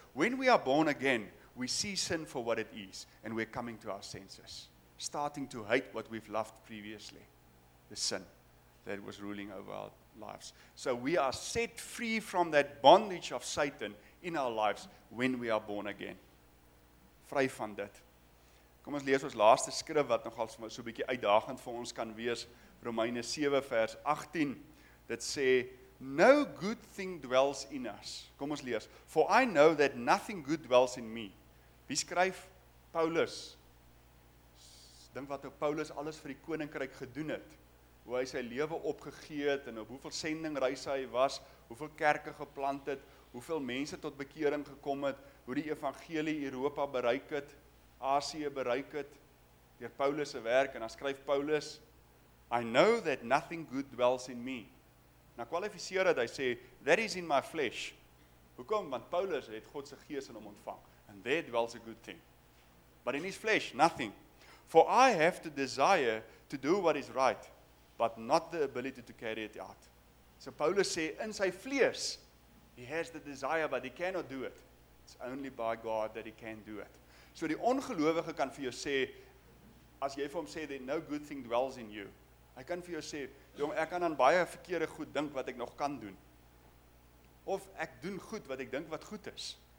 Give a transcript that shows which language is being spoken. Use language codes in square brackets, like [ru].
[en] When we are born again, we see sin for what it is and we're coming to our senses. Starting to hate what we've loved previously. The sin that was ruling over lives. So we are set free from that bondage of Satan in our lives when we are born again. [af] Vry van dit. Kom ons lees ons laaste skrif wat nogal so 'n bietjie uitdagend vir ons kan wees. Romeine 7 vers 18. Dit sê, [en] no good thing dwells in us. [af] Kom ons lees. [en] For I know that nothing good dwells in me. [af] Wie skryf? Paulus. Dink wat op Paulus alles vir die koninkryk gedoen het. Hoe hy sy lewe opgegee het en op hoeveel sendingreise hy was, hoeveel kerke geplant het, hoeveel mense tot bekering gekom het, hoe die evangelie Europa bereik het, Asië bereik het, deur Paulus se werk, en dan skryf Paulus, [en] I know that nothing good dwells in me. [af] Nou kwalifiseer dit, hy sê, [en] that is in my flesh. [af] Hoekom? Want Paulus het God se gees in hom ontvang. [en] And there dwells a good thing. But in his flesh, nothing. For I have the desire to do what is right, but not the ability to carry it out. So [af] Paulus sê, in sy vlees, [en] he has the desire, but he cannot do it. It's only by God that he can do it. [af] So die ongelowige kan vir jou sê, as jy vir hom sê, [en] that no good thing dwells in you, [af] hy kan vir jou sê, jong, ek kan aan baie verkeerde goed dink wat ek nog kan doen. Of ek doen goed wat ek dink wat goed is.